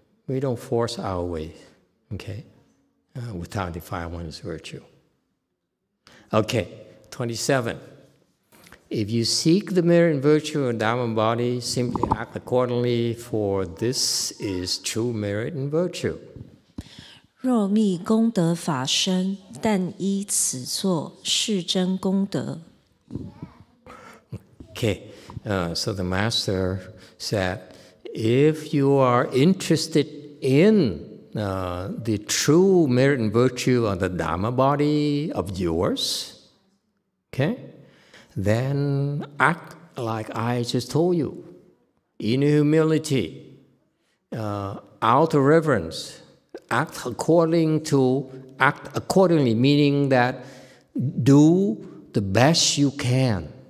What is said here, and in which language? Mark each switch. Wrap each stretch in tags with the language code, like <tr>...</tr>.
<en>We don't force our way, okay? Without defilement's virtue. Okay, 27. If you seek the merit and virtue of Dharma body, simply act accordingly, for this is true merit and virtue.</en> <zh>若觅功德法身，但依此作，是真功德。</zh> <en>Okay, so the master said, if you are interested in the true merit and virtue of the Dharma body of yours, okay, then act like I just told you, in humility, out of reverence, act accordingly, meaning that do the best you can.</en>